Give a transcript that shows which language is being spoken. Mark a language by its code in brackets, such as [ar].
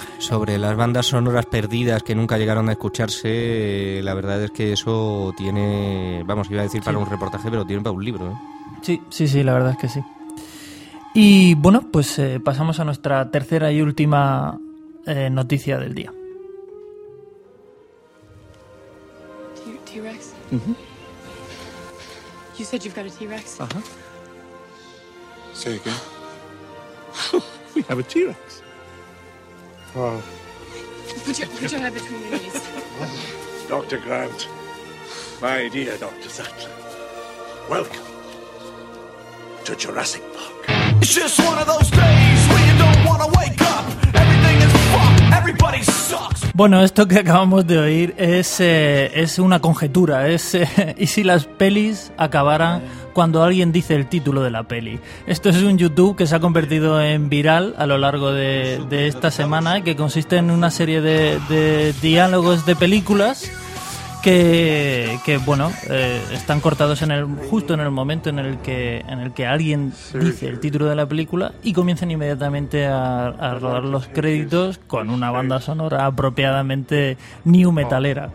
[es] Sobre las bandas sonoras perdidas que nunca llegaron a escucharse, la verdad es que eso tiene, vamos, iba a decir para un reportaje, pero tiene para un libro, ¿eh? Sí, la verdad es que sí. Y bueno, pues pasamos a nuestra tercera y última noticia del día. [en] T-Rex. Mm-hmm. You said you've got a T-Rex. Uh-huh. Say again. We have a T-Rex. Oh. Put your head between your knees. Dr. Grant, my dear Dr. Sattler, welcome to Jurassic Park. It's just one of those days when you don't want to wake up. Everything is fucked. Everybody sucks. [es] Bueno, esto que acabamos de oír es una conjetura. ¿Y si las pelis acabaran cuando alguien dice el título de la peli? Esto es un YouTube que se ha convertido en viral a lo largo de esta semana, que consiste en una serie de diálogos de películas que están cortados justo en el momento en el que alguien dice el título de la película y comienzan inmediatamente a rodar los créditos con una banda sonora apropiadamente new metalera.